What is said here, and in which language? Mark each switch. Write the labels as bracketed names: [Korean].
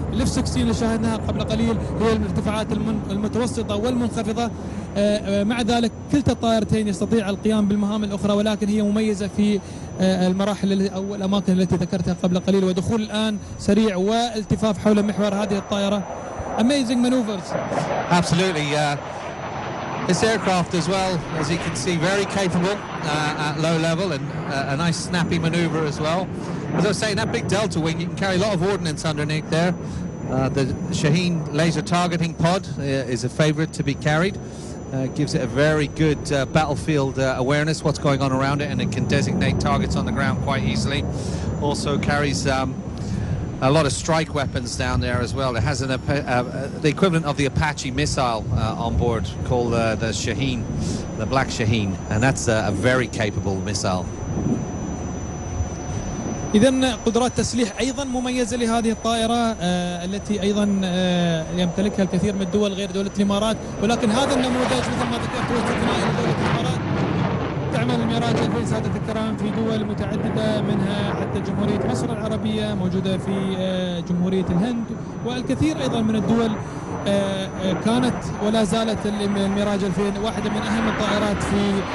[Arabic] الاف 16 اللي شاهدناها قبل قليل هي الارتفاعات المتوسطة والمنخفضة. مع ذلك كلتا الطائرتين يستطيع القيام بالمهام الأخرى، ولكن هي مميزة في المراحل أو الأماكن التي ذكرتها قبل قليل، ودخول الآن سريع والتفاف حول محور هذه الطائرة. [English] Amazing maneuvers. Absolutely. This aircraft as well, as you can see, very capable at low level, and a nice snappy maneuver as well. As I was saying, that big delta wing, you can carry a lot of ordnance underneath there. The Shaheen laser targeting pod is a favorite to be carried. Gives it a very good battlefield awareness, what's going on around it, and it can designate targets on the ground quite easily. Also carries a lot of strike weapons down there as well. It has an the equivalent of the Apache missile on board, called the Shaheen, the Black Shaheen, and that's a very capable missile. [Arabic] إذن قدرات تسليح أيضا مميزة لهذه الطائرة التي أيضا يمتلكها الكثير من الدول غير دولة الإمارات، ولكن هذا النموذج مثل ما ذكرت هو استثناء لدولة الإمارات. تعمل الميراج في سادة الكرام في دول متعددة، منها حتى جمهورية مصر العربية، موجودة في جمهورية الهند، والكثير أيضا من الدول كانت ولا زالت الميراج 2000 واحدة من أهم الطائرات في